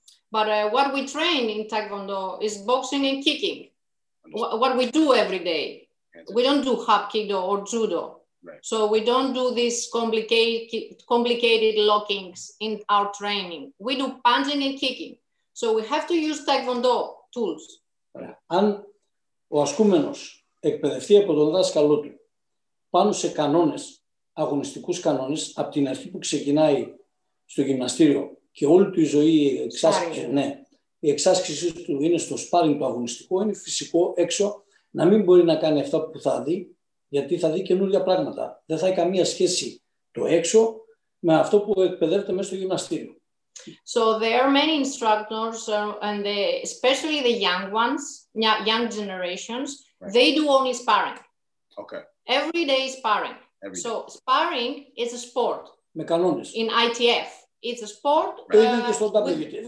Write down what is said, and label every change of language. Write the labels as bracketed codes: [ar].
[en] But what we train in Taekwondo is boxing and kicking. What we do every day. We don't do Hapkido or Judo. So we don't do these complicated lockings in our training. We do punching and kicking. So we have to use Taekwondo tools. [el] Αν ο ασκούμενος εκπαιδευτεί από τον δάσκαλό του πάνω σε κανόνες, αγωνιστικούς κανόνες, από την αρχή που ξεκινάει στο γυμναστήριο και όλη του η ζωή η εξάσκησή του είναι στο σπάριν του αγωνιστικού, είναι φυσικό έξω να μην μπορεί να κάνει αυτά που θα δει, γιατί θα δει καινούργια πράγματα. Δεν θα έχει καμία σχέση το έξω με αυτό που εκπαιδεύεται μέσα στο γυμναστήριο. [en] So there are many instructors, and they, especially the young ones, young generations, right. They do only sparring. Okay. Every day sparring. Every so day. Sparring is a sport. [el] Με κανόνες. [en] In ITF. It's a sport right.